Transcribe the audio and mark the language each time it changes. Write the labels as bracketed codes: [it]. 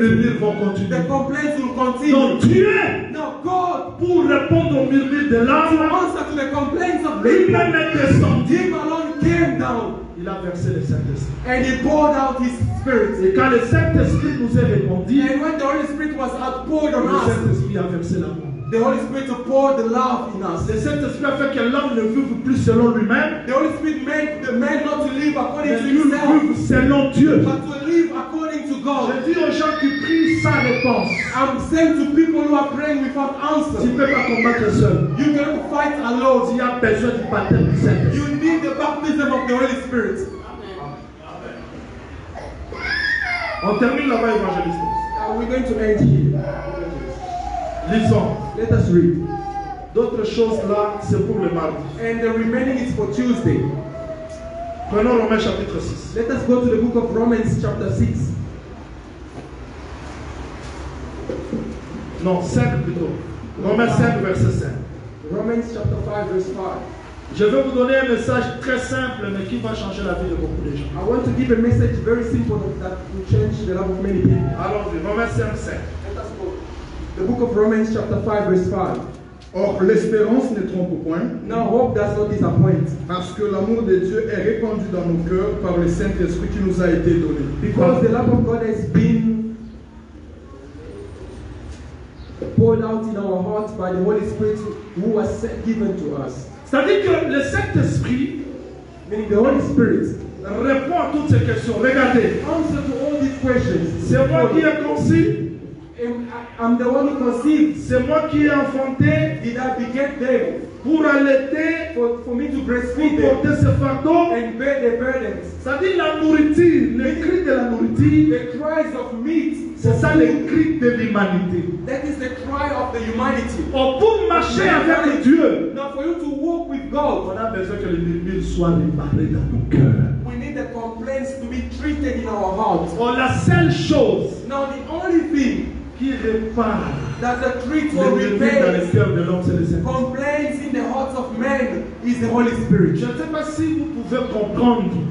[fr] les murmures vont continuer. [en] The complaints will continue. [fr] Donc Dieu, [en] now God, [fr] pour répondre aux murmures de l'âme, [en] to answer to the complaints of [fr] lui-même est descendu. [en] Him alone came down. [fr] Il a versé le Saint-Esprit. [en] And he poured out his spirit. [fr] Et quand le Saint-Esprit nous a répondu, [en] and when the Holy Spirit was outpoured on us, [fr] le Saint-Esprit a versé l'amour. [en] The Holy Spirit to pour the love in us. [fr] Le Saint-Esprit a fait que l'homme ne vive plus selon lui-même. [en] The Holy Spirit made the man not to live according to himself. [fr] Vive selon Dieu. [en] But to live according to God. [fr] Je dis aux gens qui prient sans réponse. [en] I'm saying to people who are praying without answer. [fr] Tu ne peux pas combattre seul. [en] You cannot fight alone. [fr] Tu as besoin du baptême du Saint-Esprit. [en] You need the baptism of the Holy Spirit. [fr] Amen. On termine là-bas, évangéliste. [en] Are we going to end here? [fr] Lisons. [en] Let us read. [fr] D'autres choses là, c'est pour le mardi. [en] And the remaining is for Tuesday. [fr] Prenons Romains chapitre 6. [en] Let us go to the book of Romans chapter 6. [fr] Non, 5 plutôt. Romains 5 verset 5. [en] Romans chapter 5 verse 5. [fr] Je veux vous donner un message très simple mais qui va changer la vie de beaucoup de gens. [en] I want to give a message very simple that will change the life of many people. [fr] Allons-y, Romains 5 verset 5. [en] The book of Romans chapter 5 verse 5. [fr] Or l'espérance ne trompe point. [en] Now hope does not disappoint. [fr] Parce que l'amour de Dieu est répandu dans nos cœurs par le Saint-Esprit qui nous a été donné. [en] Because the love of God has been poured out in our hearts by the Holy Spirit who was given to us. [fr] C'est-à-dire que le Saint-Esprit, [en] meaning the Holy Spirit, [fr] répond à toutes ces questions. Regardez. [en] Answer to all these questions. [fr] C'est moi qui ai conçu. [en] I'm the one who conceived. [fr] C'est moi qui ai enfanté. [en] Did I beget them? [fr] Pour allaiter. [en] For me to breastfeed. [fr] Pour porter ce fardeau. [en] And bear the burdens. [fr] Ça dit la nourriture, le cri de la nourriture. [en] The cries of meat. [fr] C'est ça le cri de l'humanité. [en] That is the cry of the humanity. [fr] Or pour marcher avec Dieu. [en] Now for you to walk with God. [fr] On a besoin que les murmures soient réparées dans nos cœurs. [en] The complaints to be treated in our hearts. [fr] Or la seule chose. [en] Now the only thing [fr] qui répare [en] that the treat or repair [fr] dans les cœurs de l'homme, c'est le Saint-Esprit. [en] Complaints in the hearts of men is the Holy Spirit. [fr] Je ne sais pas si vous pouvez comprendre.